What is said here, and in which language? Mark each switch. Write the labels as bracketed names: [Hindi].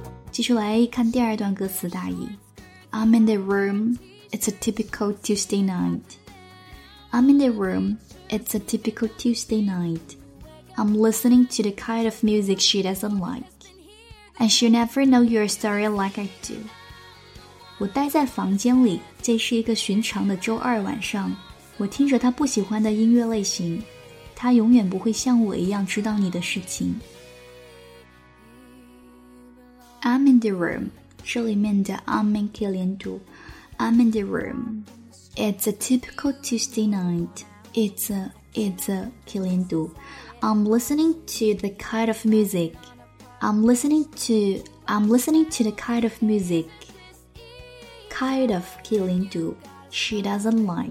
[Chinese] 继续来看第二段歌词大意。 [English] I'm in the room, it's a typical Tuesday night. I'm in the room, it's a typical Tuesday night. I'm listening to the kind of music she doesn't like. And she'll never know your story like I do. [Chinese] 我待在房间里，这是一个寻常的周二晚上，我听着她不喜欢的音乐类型，她永远不会像我一样知道你的事情。 [English] I'm in the room, [Chinese] 这里面的 [English] I'm in [Chinese] 可以连读 [English] I'm in the room, it's a typical Tuesday night, it's a 可以连读 I'm listening to the kind of music, I'm listening to the kind of music, kind of 可以连读 she doesn't